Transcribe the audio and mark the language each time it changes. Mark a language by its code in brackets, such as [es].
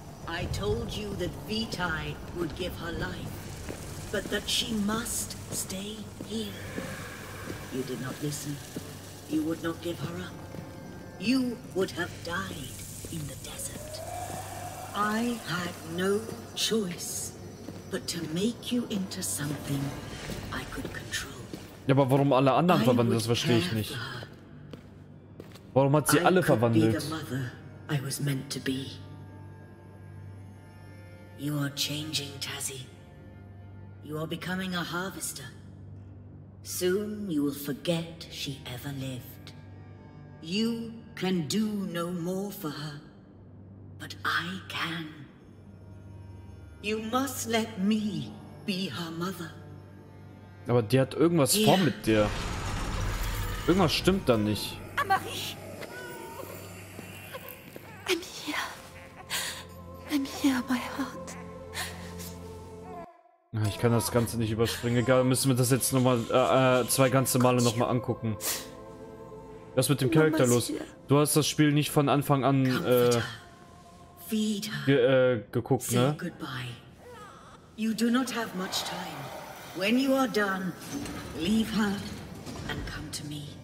[en] I told you that Vitae would give her life, but that she must stay here. You did not listen. You would not give her up. You would have died in the desert. I had no choice but to make you into something I could control. [de] Ja, aber warum alle anderen verwandelt? Das verstehe ich nicht. Warum hat sie alle verwandelt? [en] I could be the mother I was meant to be. You are changing, Tazzy. You are becoming a harvester. Soon you will forget she ever lived. You can do no more for her, but I can. You must let me be her mother. [de] Aber die hat irgendwas vor mit dir. Irgendwas stimmt da nicht. Amarich! [en] I'm here, my heart. [de] Ich kann das Ganze nicht überspringen. Egal, müssen wir das jetzt nochmal zwei ganze Male nochmal angucken. Was mit dem Charakter los? Du hast das Spiel nicht von Anfang an geguckt, ne? [en] You do not have much time. When you are done, leave her and come to me.